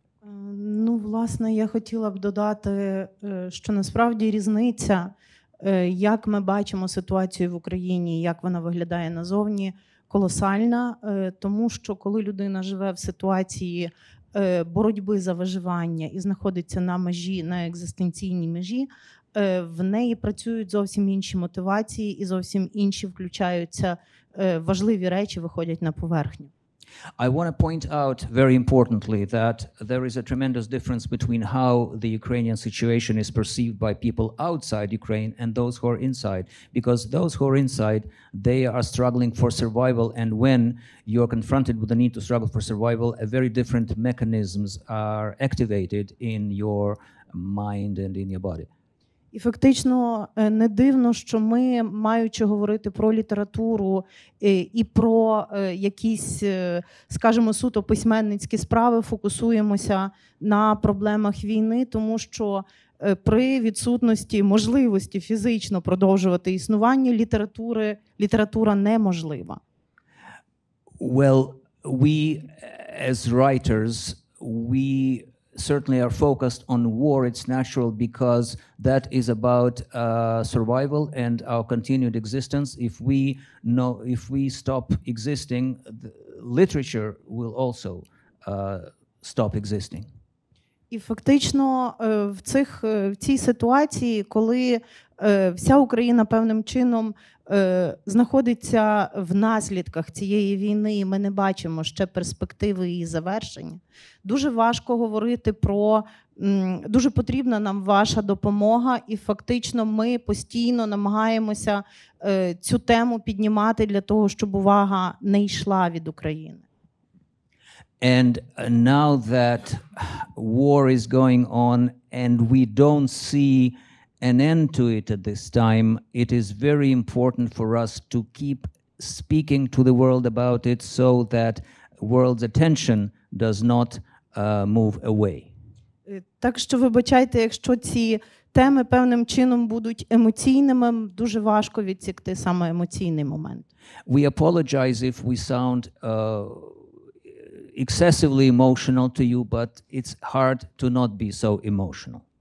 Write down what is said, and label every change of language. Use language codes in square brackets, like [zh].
[uk] Ну, власне, я хотіла б додати, що насправді різниця, як ми бачимо ситуацію в Україні, як вона виглядає назовні, колосальна, тому що коли людина живе в ситуації боротьби за виживання і знаходиться на межі, на екзистенційній межі, в неї працюють зовсім інші мотивації і зовсім інші включаються важливі речі, виходять на поверхню. [en] I want to point out very importantly that there is a tremendous difference between how the Ukrainian situation is perceived by people outside Ukraine and those who are inside. Because those who are inside, they are struggling for survival. And when you are confronted with the need to struggle for survival, a very different mechanisms are activated in your mind and in your body. [uk] І фактично не дивно, що ми, маючи говорити про літературу і про якісь, скажімо, суто письменницькі справи, фокусуємося на проблемах війни, тому що при відсутності можливості фізично продовжувати існування літератури, література неможлива. [en] Well, we as writers, we certainly are focused on war, it's natural, because that is about survival and our continued existence. If we know, if we stop existing, the literature will also stop existing. [uk] І фактично в цій ситуації, коли вся Україна певним чином знаходиться в наслідках цієї війни, і ми не бачимо ще перспективи її завершення, дуже важко говорити про, дуже потрібна нам ваша допомога, і фактично ми постійно намагаємося цю тему піднімати для того, щоб увага не йшла від України. [en] And now that war is going on and we don't see an end to it at this time, it is very important for us to keep speaking to the world about it so that world's attention does not move away. [uk] Так що вибачайте, якщо ці теми певним чином будуть емоційними, дуже важко відсікти саме емоційний момент. [en] We apologize if we sound excessively emotional to you, but it's hard to not be so emotional.